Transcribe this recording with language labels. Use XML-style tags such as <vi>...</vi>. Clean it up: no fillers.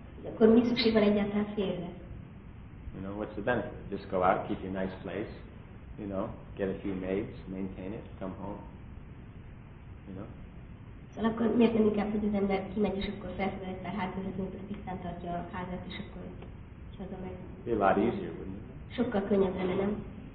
<hu>Akkor mi szükség van egyáltalán férjre?</hu> <en>You know, what's the benefit? Just go out, keep your nice place, you know, get a few maids, maintain it, come home, you know.</en> <hu>Szóval akkor miért nem inkább, hogy az ember kimegy, és akkor felfogad egy pár házvezetőt, és tisztán tartja a házat, és akkor haza megy.</hu> <en>It'd be a lot easier, wouldn't it?</en> <hu>Sokkal könnyebb lenne, nem?</hu>